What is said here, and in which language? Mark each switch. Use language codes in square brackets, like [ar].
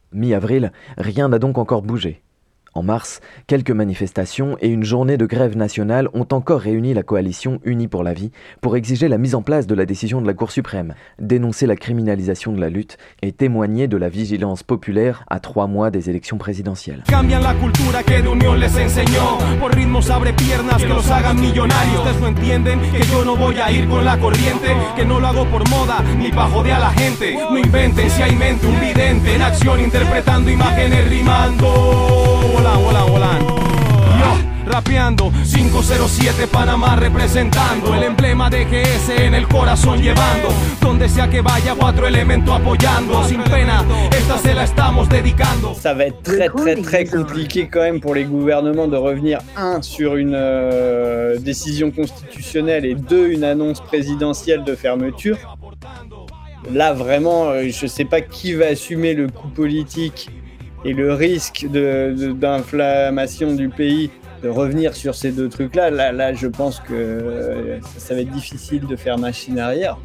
[fr] Mi-avril, rien n'a donc encore bougé. En mars, quelques manifestations et une journée de grève nationale ont encore réuni la coalition Unie pour la vie pour exiger la mise en place de la décision de la Cour suprême, dénoncer la criminalisation de la lutte et témoigner de la vigilance populaire à 3 mois des élections présidentielles. [es] Cambian la cultura que de unión les enseñó, por ritmos abre piernas que los hagan millonarios. Ustedes no entienden que yo no voy a ir con la corriente, que no lo hago por moda ni pa' joder a la gente. No inventen si hay mente, un vidente en acción interpretando imágenes rimando. Volando, yo rapeando 507 Panamá representando el emblema de GS en el corazón llevando donde sea que vaya cuatro elementos apoyando sin pena esta se la estamos dedicando. [fr] Ça va être très très très compliqué quand même pour les gouvernements de revenir sur une décision constitutionnelle et deux une annonce présidentielle de fermeture. Là vraiment je sais pas qui va assumer le coup politique et le risque d'inflammation du pays, de revenir sur ces deux trucs-là, là, je pense que ça va être difficile de faire machine arrière.